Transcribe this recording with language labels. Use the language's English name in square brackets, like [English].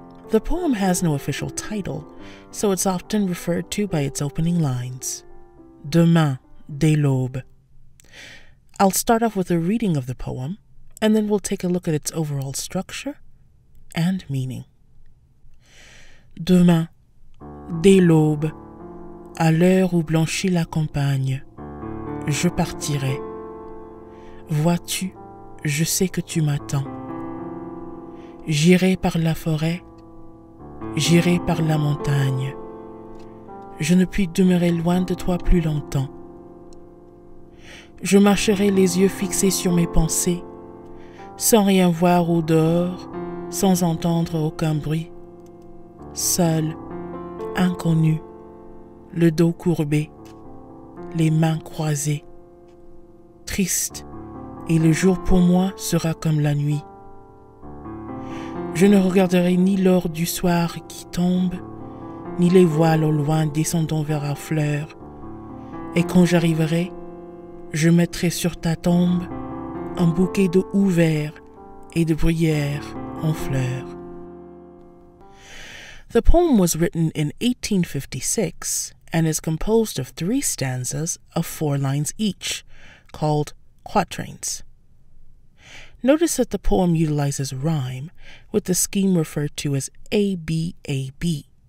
[English] The poem has no official title, so it's often referred to by its opening lines. [French] Demain, dès l'aube. [English] I'll start off with a reading of the poem, and then we'll take a look at its overall structure and meaning. [French] Demain, dès l'aube, à l'heure où blanchit la campagne, je partirai. Vois-tu, je sais que tu m'attends. J'irai par la forêt, j'irai par la montagne. Je ne puis demeurer loin de toi plus longtemps. Je marcherai les yeux fixés sur mes pensées, sans rien voir au dehors, sans entendre aucun bruit, seul, inconnu, le dos courbé, les mains croisées, triste, et le jour pour moi sera comme la nuit. Je ne regarderai ni l'or du soir qui tombe, ni les voiles au loin descendant vers la fleur, et quand j'arriverai, je mettrai sur ta tombe un bouquet de houx verts et de bruyères en fleurs. [English] The poem was written in 1856 and is composed of three stanzas of four lines each, called quatrains. Notice that the poem utilizes rhyme with the scheme referred to as ABAB.